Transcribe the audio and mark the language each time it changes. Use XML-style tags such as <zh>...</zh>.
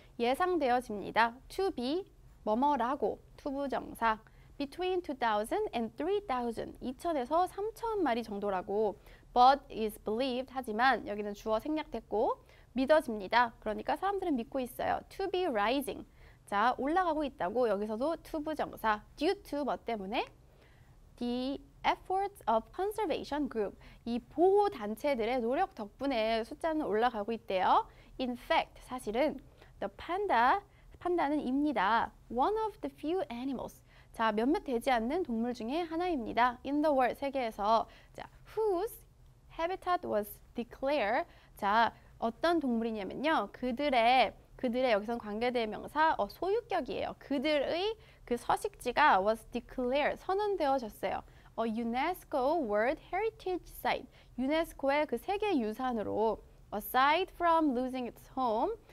<ko>예상되어집니다. to be 뭐뭐라고 to 부정사</ko> <en>between 2000 and 3000.</en> <ko>2000에서 3000마리 정도라고.</ko> <en>but is believed</en> <ko>하지만 여기는 주어 생략됐고 믿어집니다. 그러니까 사람들은 믿고 있어요.</ko> <en>to be rising.</en> <ko>자, 올라가고 있다고 여기서도 to 부정사.</ko> <en>due to</en> <ko>뭐 때문에</ko> <en>the efforts of conservation group.</en> <ko>이 보호 단체들의 노력 덕분에 숫자는 올라가고 있대요.</ko> <en>in fact</en> <ko>사실은 the panda 판다는 입니다.</ko> <en>one of the few animals.</en> <ko>자, 몇몇 되지 않는 동물 중에 하나입니다.</ko> <en>in the world</en> <ko>세계에서</ko> <en>자, whose habitat was declared.</en> <ko>자, 어떤 동물이냐면요. 그들의 여기선 관계대명사 소유격이에요. 그들의 그 서식지가</ko> <en>was declared</en> <ko>선언되어졌어요.</ko> <en>UNESCO World Heritage Site.</en> <ko>유네스코의 그 세계 유산으로</ko> <en>aside from losing its home.</en>